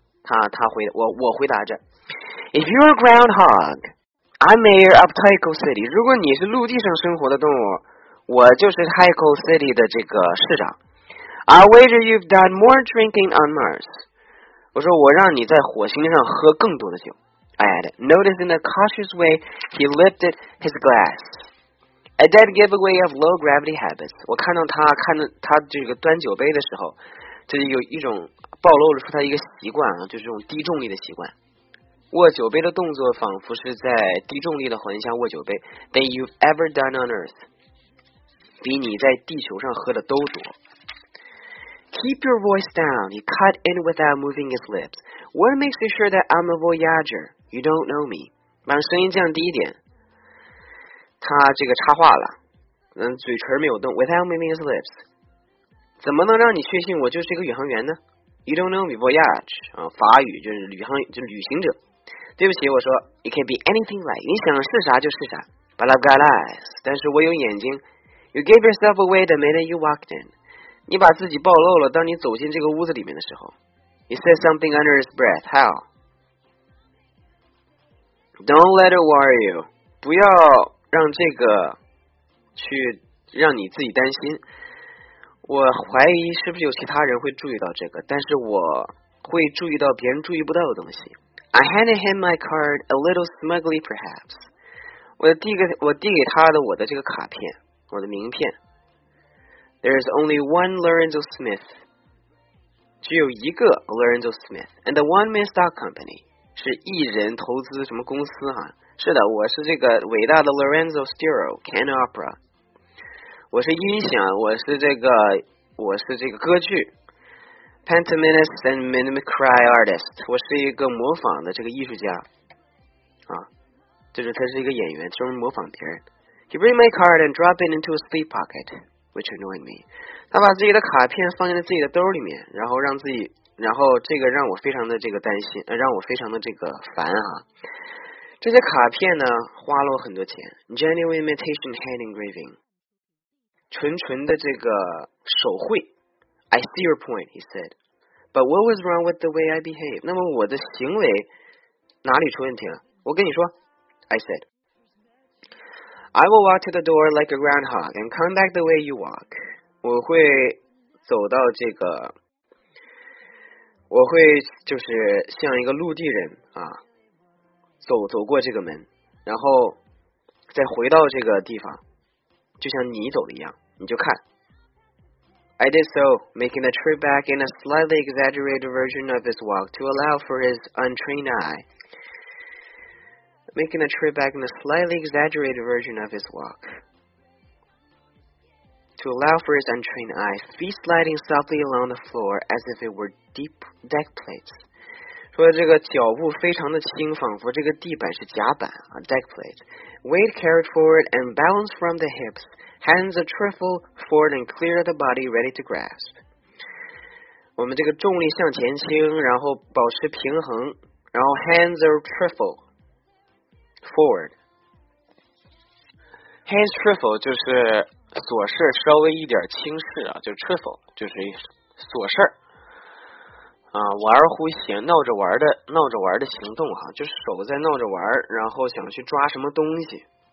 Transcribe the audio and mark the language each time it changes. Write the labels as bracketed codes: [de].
[zh] 我回答着， [en] If you're a groundhog I'm mayor of Tycho City， [zh] 如果你是陆地上生活的动物，我就是 Tycho City 的这个市长。 [en] I wager you've done more drinking on Mars， [zh] 我说我让你在火星上喝更多的酒。 [en] I added Notice in a cautious way he lifted his glass， a dead giveaway of low gravity habits， [zh] 我看到他这个端酒杯的时候，这就有一种暴露出他一个习惯，就是这种低重力的习惯，握酒杯的动作仿佛是在低重力的环境下握酒杯。 [en] Than you've ever done on earth， [zh] 比你在地球上喝的都多。 [en] Keep your voice down, he cut in without moving his lips. What makes you sure that I'm a voyager? You don't know me. [zh] 把声音降低一点。他这个插话了，嘴唇没有动， [en] without moving his lips. [zh] 怎么能让你确信我就是一个宇航员呢？ [en] You don't know me, voyage. [zh] 法语就是旅行者。对不起，我说， [en] it can be anything like, [zh] 你想是啥就是啥。 [en] But I've got eyes, [zh] 但是我有眼睛。 [en] You gave yourself away the minute you walked in. [zh] 你把自己暴露了，当你走进这个屋子里面的时候。 [en] He said something under his breath. How? Don't let it worry you. [zh] 不要让这个去让你自己担心。我怀疑是不是有其他人会注意到这个，但是我会注意到别人注意不到的东西。 [en] I handed him my card a little smugly perhaps. [zh] 我递给他的我的这个卡片，我的名片。 [en] There is only one Lorenzo Smith， [zh] 只有一个 [en] Lorenzo Smith， and the one man stock company， [zh] 是一人投资什么公司哈？是的，我是这个伟大的 Lorenzo Stereo Can Opera， 我是音响，我是这个歌剧 [en] Pantomimist and Mimicry Artist， [zh] 我是一个模仿的这个艺术家啊，就是他是一个演员，专门模仿别人。 [en] He bring my card and drop it into a sleep pocket. Which annoyed me， [zh] 他把自己的卡片放进了自己的兜里面，然后这个让我非常的这个担心，让我非常的这个烦啊。这些卡片呢，花了我很多钱 ， [en] genuine imitation hand engraving， [zh] 纯纯的这个手绘。 [en] I see your point， he said， but what was wrong with the way I behaved？ [zh] 那么我的行为哪里出问题了？我跟你说 ， [en] I said。 I will walk to the door like a groundhog and come back the way you walk. [zh] 我会走到这个，我会就是像一个陆地人啊，走过这个门，然后再回到这个地方，就像你走的一样，你就看。 [en] I did so, making the trip back in a slightly exaggerated version of his walk to allow for his untrained eye. Making the trip back in a slightly exaggerated version of his walk to allow for his untrained eye, feet sliding softly along the floor as if it were deep deck plates. [zh] 说这个脚步非常的轻，仿佛这个地板是甲板啊 deck plate. [en] Weight carried forward and balanced from the hips. Hands a trifle forward and clear the body ready to grasp. [zh] 我们这个重力向前倾，然后保持平衡，然后 [en] hands a trifle forward. [zh] Hands trifle 就是琐事稍微一点轻视啊，就 trifle 就是琐事啊，玩忽闲闹着玩的行动啊，就是手在闹着玩，然后想去抓什么东西。